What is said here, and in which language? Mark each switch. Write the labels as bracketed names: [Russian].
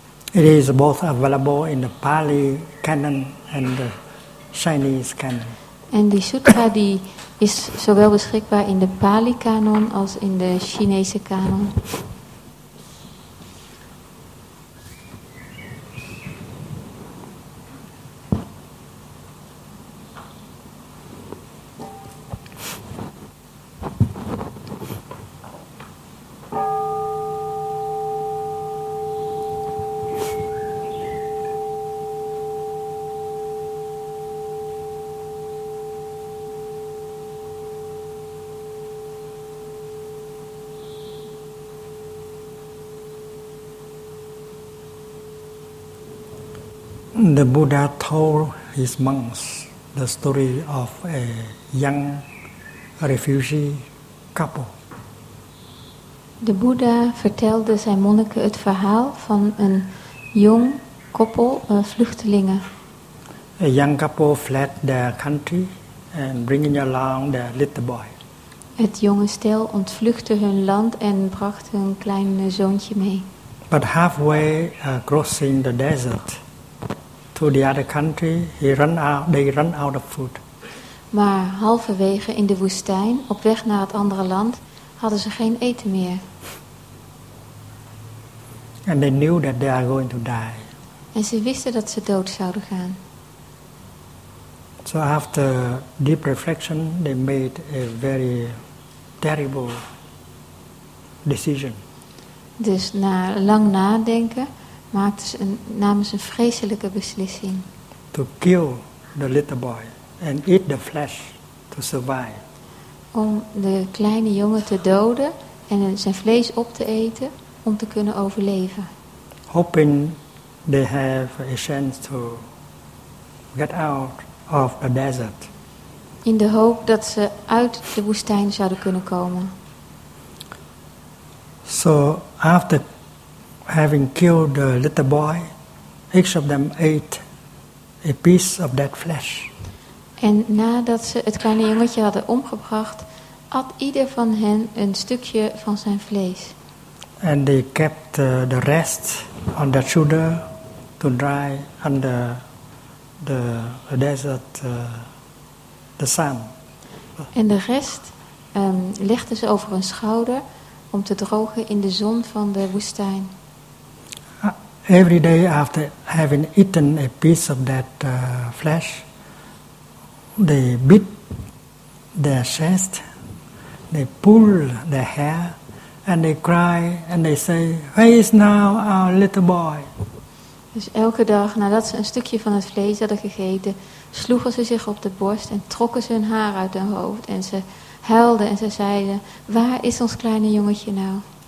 [English] It is both available in the Pali canon and the Chinese canon. [Dutch] En die sutra die is zowel beschikbaar in de Pali canon als in de Chinese canon. [English] The Buddha told his monks the story of a young refugee couple. [Dutch] De Buddha vertelde zijn monniken het verhaal van een jong koppel, vluchtelingen. [English] A young couple fled their country and bringing along their little boy. [Dutch] Het jonge stel ontvluchtte hun land en bracht hun kleine zoontje mee. [English] But halfway crossing the desert to the other country, they run out of food. [Dutch] Maar halverwege in de woestijn, op weg naar het andere land, hadden ze geen eten meer. [English] And they knew that they are going to die. [Dutch] En ze wisten dat ze dood zouden gaan. [English] So after deep reflection, they made a very terrible decision. [Dutch] Dus na lang nadenken namen ze een vreselijke beslissing. [English] To kill the little boy and eat the flesh to survive. [Dutch] Om de kleine jongen te doden en zijn vlees op te eten om te kunnen overleven. [English] Hoping they have a chance to get out of the desert. [Dutch] In de hoop dat ze uit de woestijn zouden kunnen komen. [English] So after having killed the little boy, each of them ate a piece of that flesh. [Dutch] En nadat ze het kleine jongetje hadden omgebracht, at ieder van hen een stukje van zijn vlees. [English] And they kept the rest on their shoulder to dry under the desert the sun. [Dutch] En de rest legden ze over hun schouder om te drogen in de zon van de woestijn. [English] Every day after having eaten a piece of that flesh, they beat their chest, they pull their hair, and they cry and they say, "Where is now our little boy?" [Dutch] Dus elke dag nadat ze een stukje van het vlees hadden gegeten, sloegen ze zich op de borst en trokken ze hun haar uit hun hoofd en ze huilden en ze zeiden, "Waar is ons kleine jongetje nou?"